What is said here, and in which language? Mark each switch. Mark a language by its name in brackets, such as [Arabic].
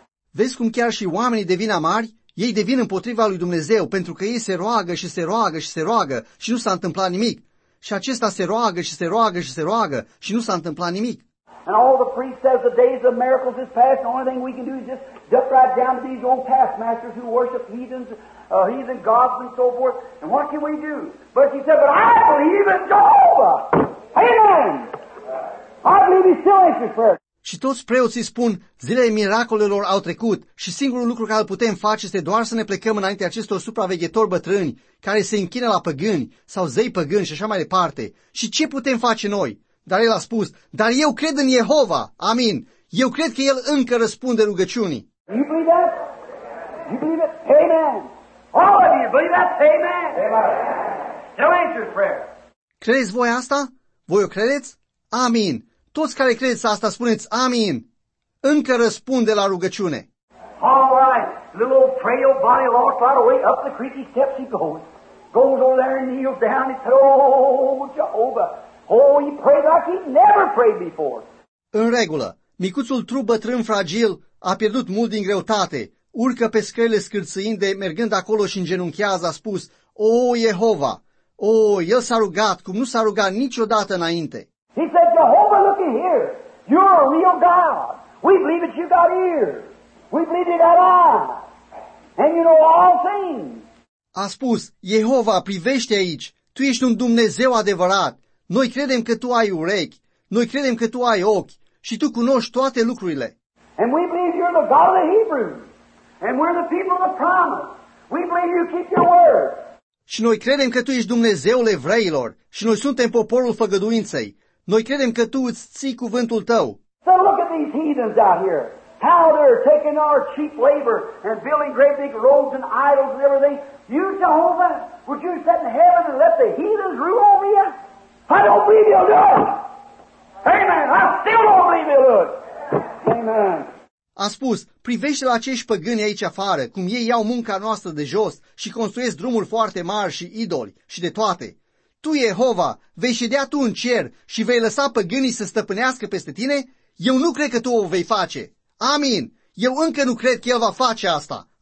[Romanian] Vezi cum chiar și oamenii devin amari? Ei devin împotriva lui Dumnezeu pentru că ei se roagă și se roagă și se roagă și nu s-a întâmplat nimic. Și acesta se roagă și se roagă și se roagă și nu s-a întâmplat nimic. [English] And all the priest says the days of miracles is past. The only thing we can do is just duck right down to these old taskmasters who worship heathens, heathen gods and so forth. And what can we do? But he said, but I believe in Jehovah. Amen. I believe he's still answering prayer. [Romanian] Și toți preoții spun, zilele miracolelor au trecut și singurul lucru care îl putem face este doar să ne plecăm înaintea acestor supraveghetori bătrâni care se închină la păgâni sau zei păgâni și așa mai departe. Și ce putem face noi? Dar el a spus, dar eu cred în Jehova, amin. Eu cred că el încă răspunde rugăciunii. [English] You believe that? You believe it? Amen. All of you believe that? Amen. Still answers prayer. [Romanian] Credeți voi asta? Voi o credeți? Amin. Toți care credeți asta, spuneți amin. Încă răspunde la rugăciune. [English] All right, little old frail body lost right away, up the creaky steps he goes. Goes over there and kneels down and says, oh, Jehovah. Oh, he prayed like he never prayed before. [Romanian] În regulă, micuțul trup bătrân fragil a pierdut mult din greutate. Urcă pe scările scârțâinde, mergând acolo și îngenunchează, a spus, oh, Jehova. Oh, el s-a rugat cum nu s-a rugat niciodată înainte. [English] He said, Jehovah, look in here. You're a real God. We believe that you got ears. We believe you got eyes. And you know all things. [Romanian] A spus, Jehova, privește aici. Tu ești un Dumnezeu adevărat. Noi credem că tu ai urechi. Noi credem că tu ai ochi. Și tu cunoști toate lucrurile. [English] And we believe you're the God of the Hebrews. And we're the people of the promise. We believe you keep your word. [Romanian] Și noi credem că tu ești Dumnezeul evreilor. Și noi suntem poporul făgăduinței. Noi credem că tu îți ții cuvântul tău. [English] So look at these heathens out here. How they're taking our cheap labor and building great big roads and idols and everything. You, Jehovah, would you sit in heaven and let the heathens rule over you? I don't believe you'll do it. Amen. I still don't believe you'll do it. Amen. [Romanian] A spus, privește la acești păgâni aici afară, cum ei iau munca noastră de jos și construiesc drumuri foarte mari și idoli și de toate. Tu, Jehova, vei ședea tu în cer și vei lăsa păgânii să stăpânească peste tine? Eu nu cred că tu o vei face. Amin. Eu încă nu cred că el va face asta.